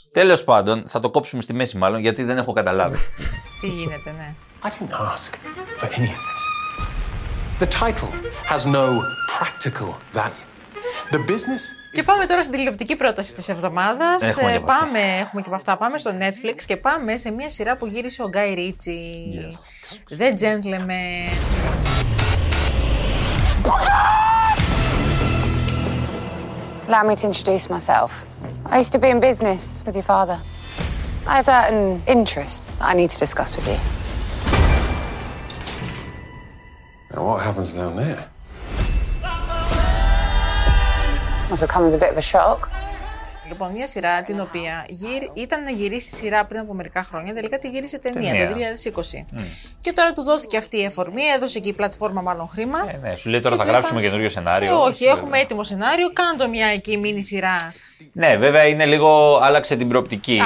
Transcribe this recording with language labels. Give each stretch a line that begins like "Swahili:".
Greek: Τέλος πάντων, θα το κόψουμε στη μέση μάλλον, γιατί δεν έχω καταλάβει. Τι γίνεται, ναι.
English: I didn't ask for any of this. The title has no practical value. The business.
Greek: Και πάμε τώρα στην τηλεοπτική πρόταση της εβδομάδας. Έχουμε και από αυτά. Πάμε στο Netflix και πάμε σε μια σειρά που γύρισε ο Guy Ritchie.
English: The Gentleman. Allow me to introduce myself. I used to be in business with your father. I have certain interests that I need to discuss with you. Now what happens down there?
Greek: Λοιπόν, μια σειρά την οποία ήταν να γυρίσει σειρά πριν από μερικά χρόνια, τελικά τη γύρισε ταινία το 2020. Και τώρα του δόθηκε αυτή η εφορμή, έδωσε και η πλατφόρμα μάλλον χρήμα. Ναι, σου λέει τώρα θα γράψουμε καινούριο σενάριο. Όχι, έχουμε έτοιμο σενάριο, κάντο μια εκεί μίνι σειρά. Ναι, βέβαια είναι λίγο, άλλαξε την προοπτική.